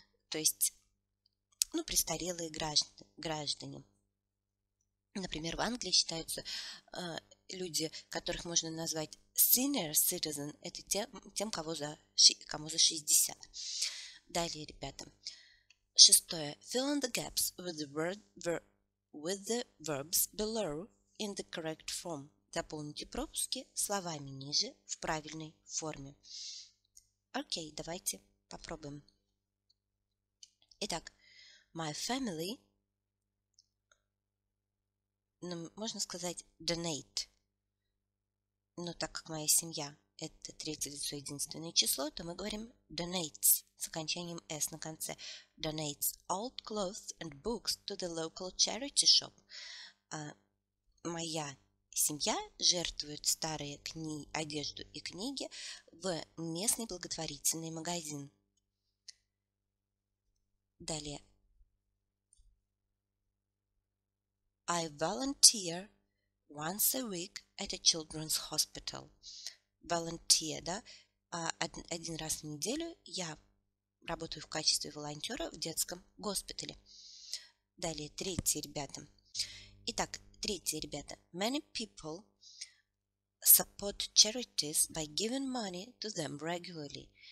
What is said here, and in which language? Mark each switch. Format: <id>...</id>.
<ru>То есть, ну, престарелые граждане. Например, в Англии считаются люди, которых можно назвать senior citizen, это тем, кому за 60. Далее, ребята. Шестое.</ru> <en>Fill in the gaps with the verbs below in the correct form.</en> <ru>Дополните пропуски словами ниже в правильной форме. Окей, давайте попробуем. Итак,</ru> <en>my family...</en> <ru>Ну, можно сказать donate, но так как моя семья – это третье лицо, единственное число, то мы говорим donates с окончанием s на конце.</ru> <en>Donates old clothes and books to the local charity shop.</en> <ru>Моя семья жертвует старые одежду и книги в местный благотворительный магазин. Далее.</ru> <en>I volunteer once a week at a children's hospital.</en> <ru>Volunteer, да? Один раз в неделю я работаю в качестве волонтера в детском госпитале. Далее, третье, ребята. Итак, третье, ребята.</ru> <en>Many people support charities by giving money to them regularly.</en>